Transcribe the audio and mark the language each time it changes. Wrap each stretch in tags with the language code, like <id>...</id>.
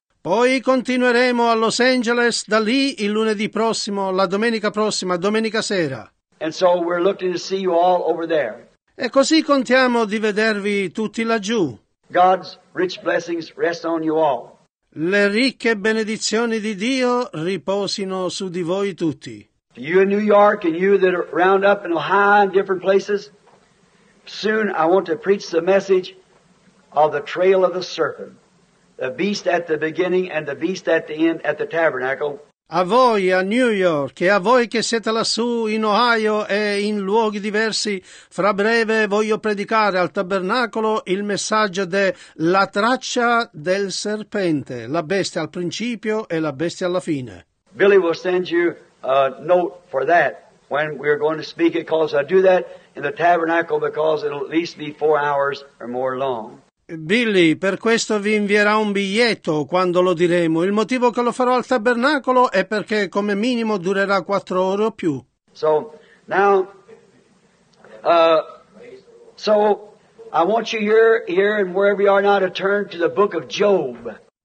<it>Poi continueremo a Los Angeles da lì il lunedì prossimo, la domenica prossima, domenica sera.</it> <en>And so we're looking to see you all over there.</en> <it>E così contiamo di vedervi tutti laggiù.</it> <en>God's rich blessings rest on you all.</en> <it>Le ricche benedizioni di Dio riposino su di voi tutti.</it> <en>You in New York and you that are round up in Ohio and different places, soon I want to preach the message of the trail of the serpent, the beast at the beginning and the beast at the end at the tabernacle.</en> <it>A voi a New York e a voi che siete lassù in Ohio e in luoghi diversi, fra breve voglio predicare al tabernacolo il messaggio della traccia del serpente, la bestia al principio e la bestia alla fine.</it> <en>Billy will send you note for that when we're going to speak it, because I do that in the tabernacle because it'll at least be 4 hours or more long.</en> <it>Billy, per questo vi invierà un biglietto quando lo diremo. Il motivo che lo farò al tabernacolo è perché come minimo durerà 4 ore o più.</it> <en>So now, so I want you here and wherever you are now to turn to the book of Job.</en>